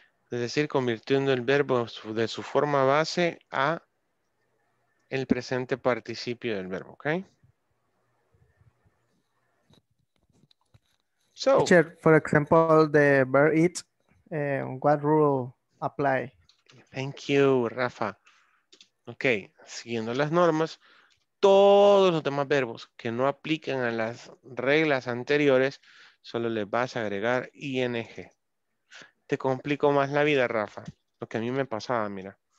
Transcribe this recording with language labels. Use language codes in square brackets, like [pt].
[es] Es decir, convirtiendo el verbo de su forma base a el presente participio del verbo. Ok. [en] So, teacher, for example, the verb eat, what rule apply? Thank you, Rafa. [es] Ok, siguiendo las normas, todos los demás verbos que no aplican a las reglas anteriores, solo les vas a agregar ING. Te complico más la vida, Rafa. Lo que a mí me pasaba, mira.